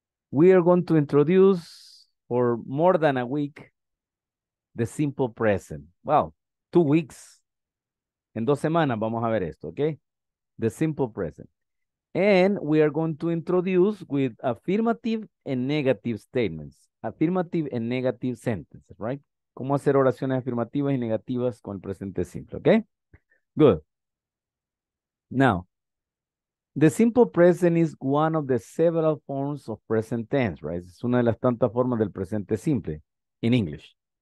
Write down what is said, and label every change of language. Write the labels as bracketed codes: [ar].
[en] We are going to introduce for more than a week the simple present. Wow, 2 weeks. [es] En 2 semanas vamos a ver esto, okay? [en] The simple present. And we are going to introduce with affirmative and negative statements. Affirmative and negative sentences, right? [es] ¿Cómo hacer oraciones afirmativas y negativas con el presente simple, okay? [en] Good. Now, the simple present is one of the several forms of present tense, right? [es] Es una de las tantas formas del presente simple [en] in English.